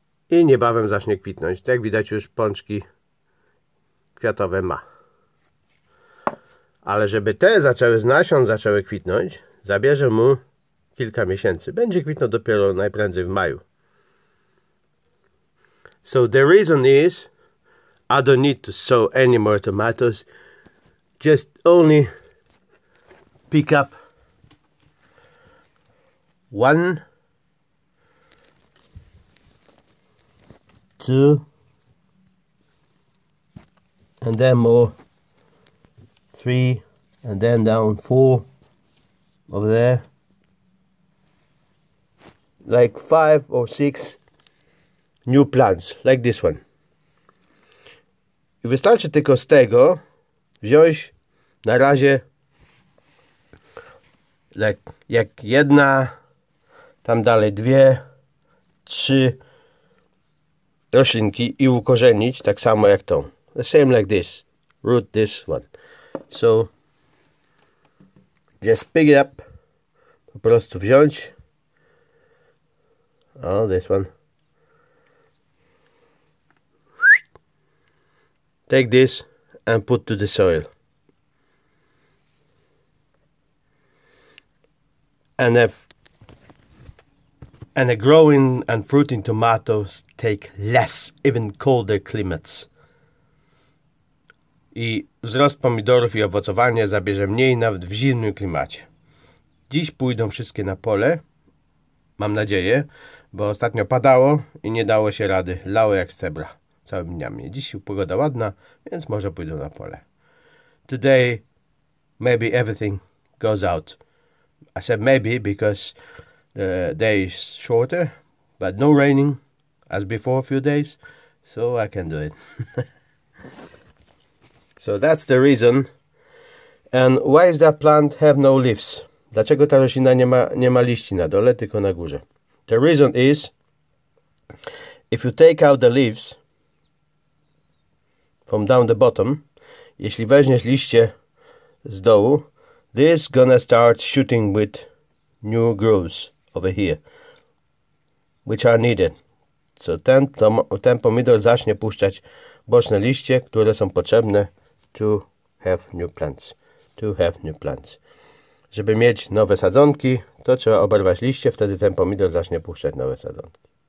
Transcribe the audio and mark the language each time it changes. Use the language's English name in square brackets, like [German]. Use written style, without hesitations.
[Polish] I niebawem zacznie kwitnąć. Tak jak widać, już pączki kwiatowe ma. Ale żeby te zaczęły z nasion, zaczęły kwitnąć, zabierze mu kilka miesięcy. Będzie kwitnął dopiero najprędzej w maju. [English] So the reason is, I don't need to sow any more tomatoes, just only pick up one, two, and then more, three, and then down four over there, like five or six new plants, like this one. [Polish] I wystarczy tylko z tego wziąć na razie jak jedna, tam dalej dwie, trzy roślinki i ukorzenić tak samo jak tą. [English] The same like this. Root this one. So, just pick it up. [Polish] Po prostu wziąć. [English] Oh, this one. Take this and put to the soil. And if and a growing and fruiting tomatoes take less, even colder climates. [Polish] I wzrost pomidorów i owocowanie zabierze mniej nawet w zimnym klimacie. Dziś pójdą wszystkie na pole. Mam nadzieję, bo ostatnio padało i nie dało się rady. Lało jak stebra. Całymi dniami. Dziś pogoda ładna, więc może pójdę na pole. [English] Today, maybe everything goes out. I said maybe because the day is shorter, but no raining as before a few days, so I can do it. So that's the reason. And why is that plant have no leaves? [Polish] Dlaczego ta roślina nie ma liści na dole, tylko na górze? [English] The reason is, if you take out the leaves from down the bottom, [Polish] jeśli weźmiesz liście z dołu, [English] this gonna start shooting with new growths over here, which are needed. [Polish] So ten pomidor zacznie puszczać boczne liście, które są potrzebne [English] to have new plants. [Polish] Żeby mieć nowe sadzonki, to trzeba oberwać liście, wtedy ten pomidor zacznie puszczać nowe sadzonki.